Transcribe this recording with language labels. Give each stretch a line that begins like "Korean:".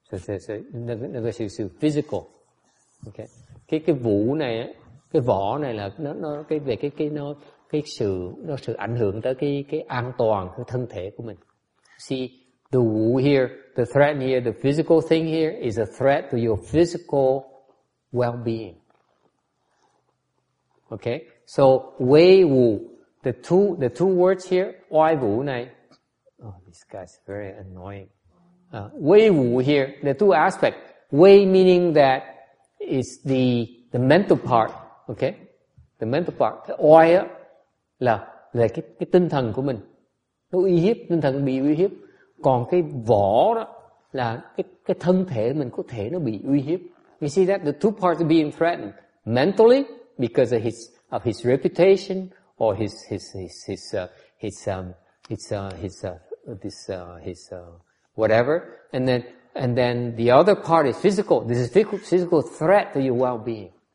Chinese: 因为武那方面武其实你怕被他放在监狱，是这个武，是
English: physical, okay,
Vietnamese: cái vũ này là nó về cái sự ảnh hưởng tới cái an toàn cái thân thể của mình.
English: See, the wu here, the threat here, the physical thing here is a threat to your physical well-being. Okay? So, wei wu, the two words here, oai wu nai. Oh, this guy's very annoying. Wei wu here, the two aspects. Wei meaning that is the mental part, okay? The mental part.
Vietnamese: Oai là cái tinh thần của mình. Nó uy hiếp, tinh thần bị uy hiếp. Còn cái vỏ đó là cái thân thể mình có thể nó bị uy hiếp.
English: You see that the two parts are being threatened mentally because of his reputation or his whatever. And then the other part is physical. This is physical threat to your well-being.